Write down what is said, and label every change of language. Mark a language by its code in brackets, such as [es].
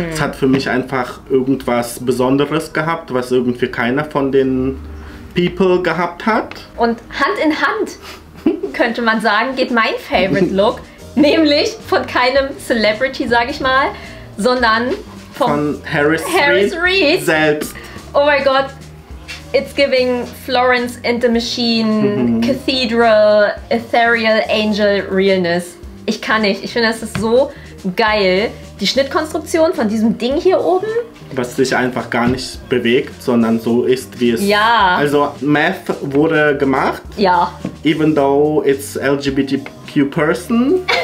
[de] Es hat für mich einfach irgendwas Besonderes gehabt, was irgendwie keiner von den People gehabt hat. Und Hand in Hand, könnte man sagen, geht mein Favorite Look, nämlich von keinem Celebrity, sage ich mal, sondern von Harris Reid selbst. Oh mein Gott, [en] it's giving Florence and the Machine, Cathedral, Ethereal Angel Realness. [de] Ich kann nicht, ich finde, das ist so geil. Die Schnittkonstruktion von diesem Ding hier oben. Was sich einfach gar nicht bewegt, sondern so ist, wie es... Ja. Also, Math wurde gemacht. Ja. [en] Even though it's LGBTQ person.